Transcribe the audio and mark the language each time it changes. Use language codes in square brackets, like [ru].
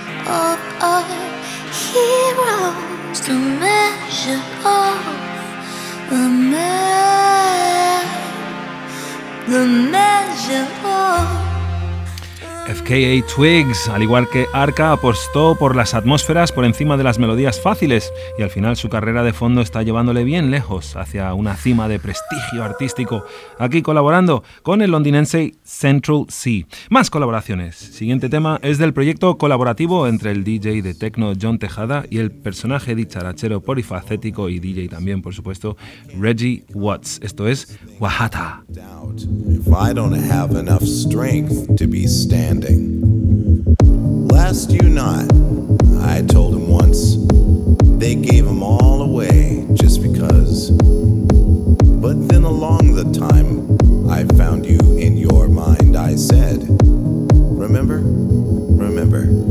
[en] of a hero, the measure of a man, the measure of. [es] FKA Twigs, al igual que Arca, apostó por las atmósferas por encima de las melodías fáciles y al final su carrera de fondo está llevándole bien lejos hacia una cima de prestigio artístico, aquí colaborando con el londinense Central Cee. Más colaboraciones. Siguiente tema es del proyecto colaborativo entre el DJ de techno John Tejada y el personaje dicharachero polifacético y DJ también, por supuesto, Reggie Watts. Esto es Wahata. [en] If I don't have enough strength to be standing. Lest you not, I told him once, they gave him all away just because. But then along the time I found you in your mind, I said, remember, remember.